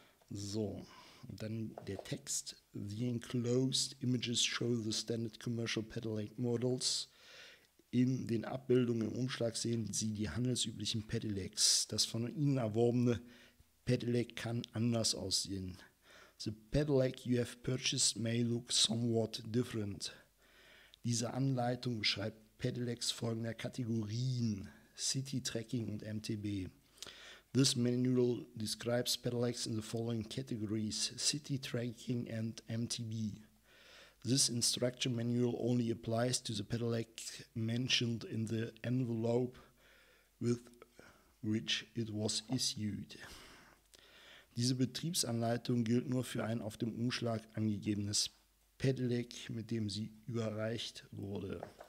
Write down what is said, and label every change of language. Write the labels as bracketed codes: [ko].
[de] So, und dann der Text. [en] The enclosed images show the standard commercial Pedelec models. [de] In den Abbildungen im Umschlag sehen Sie die handelsüblichen Pedelecs. Das von Ihnen erworbene Pedelec kann anders aussehen. [en] The Pedelec you have purchased may look somewhat different. [de] Diese Anleitung beschreibt Pedelecs folgender Kategorien: City, Trekking und MTB. [en] This manual describes Pedelecs in the following categories: City, Trekking and MTB. This instruction manual only applies to the Pedelec mentioned in the envelope with which it was issued. [de] Diese Betriebsanleitung gilt nur für ein auf dem Umschlag angegebenes Pedelec, mit dem sie überreicht wurde.